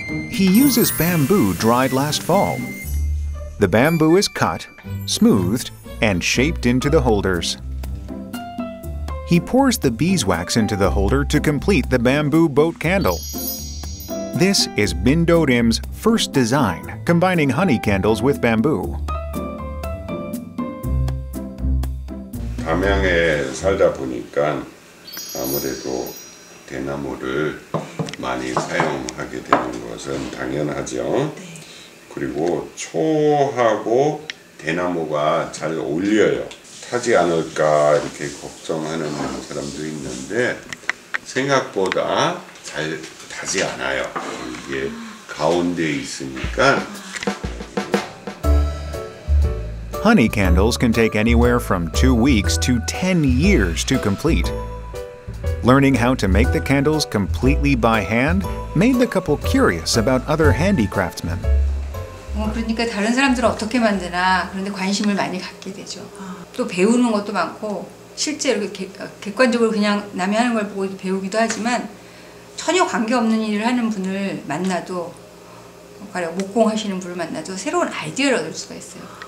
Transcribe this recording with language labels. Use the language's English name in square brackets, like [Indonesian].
[English] He uses bamboo dried last fall. The bamboo is cut, smoothed, and shaped into the holders. He pours the beeswax into the holder to complete the bamboo boat candle. This is Bin Do-rim's first design, combining honey candles with bamboo. [Korean] 담양에 살다 보니까 아무래도 대나무를 많이 사용하게 되는 것은 당연하죠. 그리고 초하고 대나무가 잘 어울려요. 타지 않을까 이렇게 걱정하는 사람도 있는데 생각보다 잘 타지 않아요. 이게 가운데 있으니까. [English] Honey candles can take anywhere from 2 weeks to 10 years to complete. Learning how to make the candles completely by hand made the couple curious about other handicraftsmen. [Korean] 그러니까 다른 사람들은 어떻게 만드나 그런데 관심을 많이 갖게 되죠. 또 배우는 것도 많고 실제 이렇게 객관적으로 그냥 남이 하는 걸 보고 배우기도 하지만 전혀 관계 없는 일을 하는 분을 만나도 가령 목공 하시는 분을 만나도 새로운 아이디어를 얻을 수가 있어요.